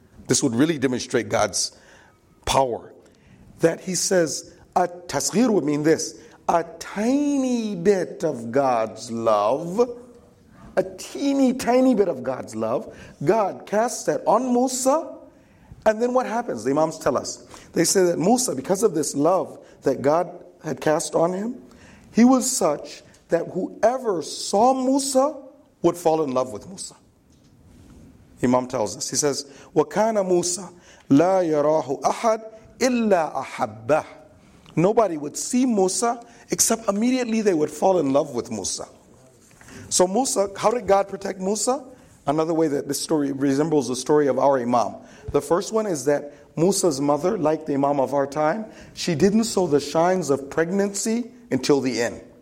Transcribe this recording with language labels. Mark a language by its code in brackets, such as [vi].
[en] This would really demonstrate God's power. That he says, a tasghir would mean this, a tiny bit of God's love, a teeny tiny bit of God's love, God casts that on Musa, and then what happens? The Imams tell us. They say that Musa, because of this love that God had cast on him, he was such that whoever saw Musa would fall in love with Musa. Imam tells us. He says, [ar] وَكَانَ مُوسَى لَا يَرَاهُ أَحَدْ إِلَّا أَحَبَّهُ. [en] Nobody would see Musa except immediately they would fall in love with Musa. So Musa, how did God protect Musa? Another way that this story resembles the story of our Imam. The first one is that Musa's mother, like the Imam of our time, she didn't show the signs of pregnancy until the end.